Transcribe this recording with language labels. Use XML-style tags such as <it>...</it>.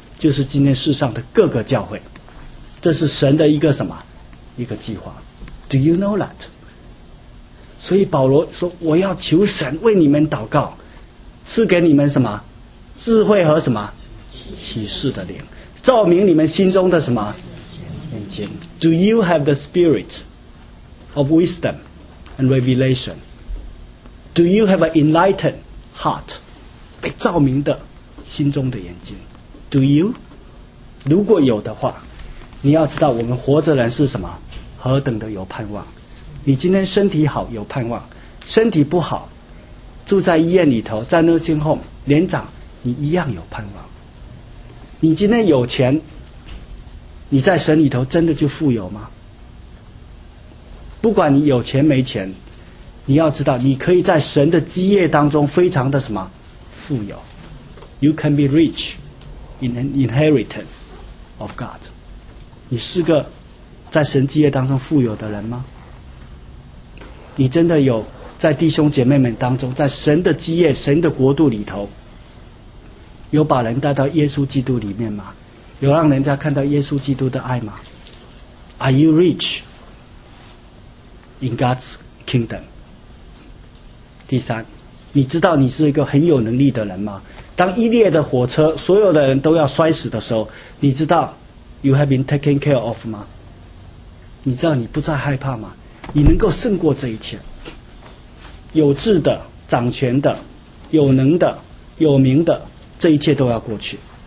<zh>就是今天世上的各个教会。这是神的一个什么？一个计划。</zh> <en>Do you know that?</en> <zh>所以保罗说，我要求神为你们祷告，赐给你们什么？智慧和什么？启示的灵，照明你们心中的什么眼睛。</zh> <en>Do you have the spirit of wisdom and revelation? Do you have an enlightened heart?</en> <zh>被照明的心中的眼睛。</zh> <en>Do you?</en> <zh>如果有的话，你要知道我们活着人是什么何等的有盼望。你今天身体好有盼望，身体不好住在医院里头，在 nursing home， 连长，你一样有盼望。你今天有钱，你在神里头真的就富有吗？不管你有钱没钱，你要知道，你可以在神的基业当中非常的什么富有。</zh> <en>You can be rich in an inheritance of God。</en> <zh>你是个在神基业当中富有的人吗？你真的有在弟兄姐妹们当中，在神的基业、神的国度里头，有把人带到耶稣基督里面吗？有让人家看到耶稣基督的爱吗？</zh> <en>Are you rich in God's kingdom?</en> <zh>第三，你知道你是一个很有能力的人吗？当一列的火车所有的人都要摔死的时候，你知道</zh> <en>You have been taken care of</en> <zh>吗？你知道你不再害怕吗？你能够胜过这一切。有智的、掌权的、有能的、有名的，这一切都要过去。</zh>